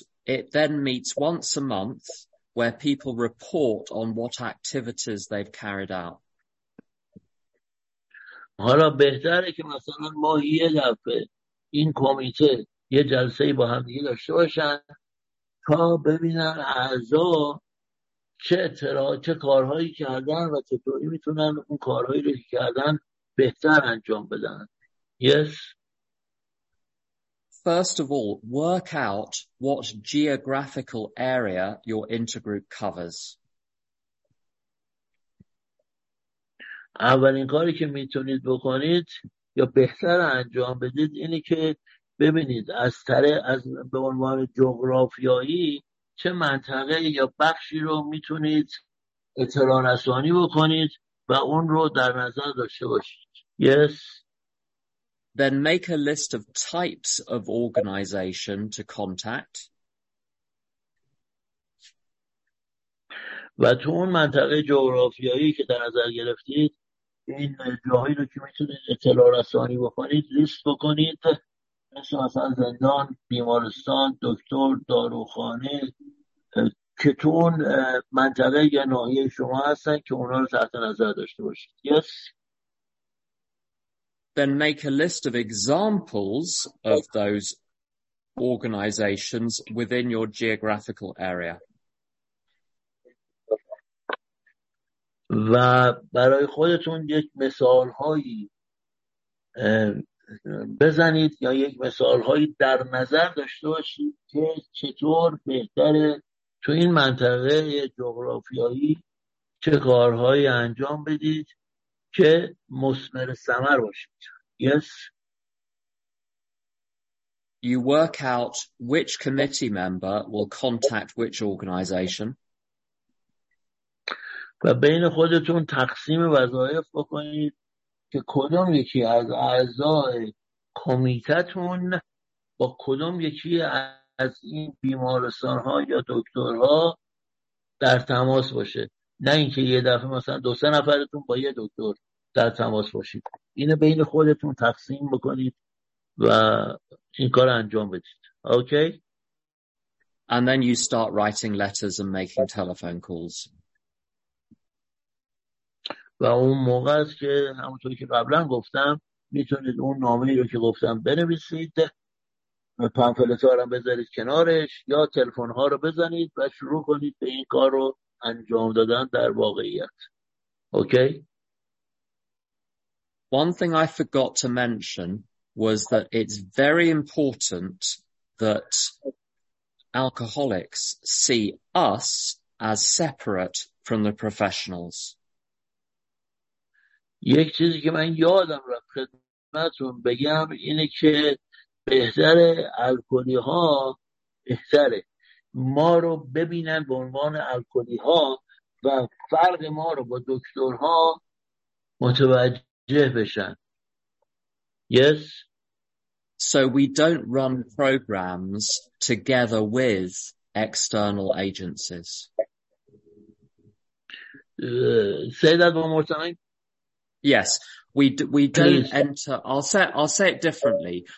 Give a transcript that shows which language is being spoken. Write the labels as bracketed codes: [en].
[en] It then meets once a month where people report on what activities they've carried out. [fa] حالا بهتره که مثلا ماهی یه دفعه این کمیته یه جلسه با هم دیگه داشته باشن تا ببینن اعضا چه کارهایی کردن و چطوری میتونن اون کارهایی رو کردن بهتر انجام بدن. [en] Yes. First of all, work out what geographical area your intergroup covers. [fa] اولین کاری که میتونید بکنید یا بهتر انجام بدید اینه که ببینید از به عنوان جغرافیایی چه منطقه یا بخشی رو میتونید اطلاع رسانی بکنید و اون رو در نظر داشته باشید. [en] Yes. Then make a list of types of organization to contact. [fa] و تو اون منطقه جغرافیایی که در نظر گرفتید این جاهایی رو که میتونید اطلاع رسانی بکنید لیست بکنید. مثلا زندان، بیمارستان، دکتر، داروخانه که تو اون منطقه یا ناحیه شما هستن که اونا رو تحت نظر داشته باشید. [en] Yes. Then make a list of examples of those organizations within your geographical area. [fa] و برای خودتون یک مثال‌هایی بزنید یا یک مثال‌هایی در نظر داشته باشید که چطور بهتره تو این منطقه جغرافیایی چه کارهایی انجام بدید که مثمر ثمر باشید. [en] Yes. You work out which committee member will contact which organization. [fa] و بین خودتون تقسیم وظایف بکنید که کدام یکی از اعضای کمیتتون با کدام یکی از این بیمارستان‌ها یا دکترها در تماس باشه، نه اینکه یه دفعه مثلا 2-3 نفرتون با یه دکتر در تماس باشید. اینو بین خودتون تقسیم بکنید و این کار انجام بدید. [en] Okay. And then you start writing letters and making telephone calls. [fa] و اون موقع است که همونطوری که قبلا گفتم میتونید اون نامه‌ای رو که گفتم بنویسید، پامفلت‌ها رو هم بذارید کنارش یا تلفن‌ها رو بزنید و شروع کنید به این کار رو انجام دادن در واقعیت. [en] Okay? One thing I forgot to mention was that it's very important that alcoholics see us as separate from the professionals. [fa] یک چیزی که من یادم رفت خدمتتون بگم اینه که بهتره الکلی ها بهتره ما رو ببینن به عنوان الکلی ها و فرق ما رو با دکترها متوجه بشن. [en] Yes. So we don't run programs together with external agencies. Say that one more time. Yes, I'll say it differently.